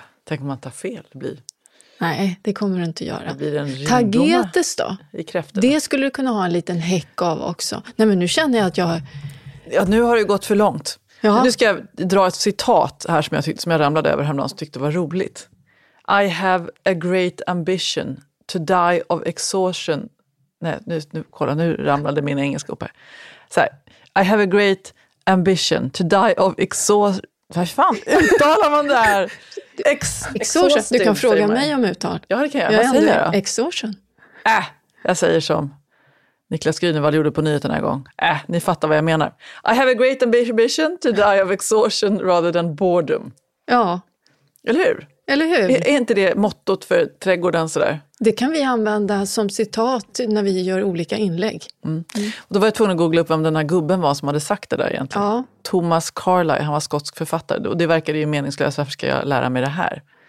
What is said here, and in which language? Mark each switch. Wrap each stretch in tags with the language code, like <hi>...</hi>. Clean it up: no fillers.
<sv>Tänk om man tar fel, det blir... Nej, det kommer du inte göra. Det blir en ringblomma. Tagetes då? I kräftorna. Det skulle du kunna ha en liten häck av också. Nej, men nu känner jag att jag... Ja, nu har det gått för långt. Nu ska jag dra ett citat här som jag ramlade över häromdagen som tyckte var roligt.</sv> <en>I have a great ambition to die of exhaustion.</en> <sv>Nej, nu ramlade min engelska upp här. Så här.</sv> <en>I have a great ambition to die of exhaustion.</en> <sv>Vad fan uttalar man det här?</sv> <en>Exhaustion.</en> <sv>Du kan fråga mig om uttal. Ja, det kan jag. Vad säger jag då?</sv> <en>Exhaustion.</en> <sv>Jag säger som... Niklas Grünewald gjorde på nyheten den här gången. Ni fattar vad jag menar.</sv> <en>I have a great ambition to die of exhaustion rather than boredom.</en> <sv>Ja. Eller hur? Eller hur? Är inte det mottot för trädgården sådär? Det kan vi använda som citat när vi gör olika inlägg. Och då var jag tvungen att googla upp vem den här gubben var som hade sagt det där egentligen. Ja. Thomas Carlyle, han var skotsk författare. Och det verkade ju meningslöst, varför ska jag lära mig det här?</sv>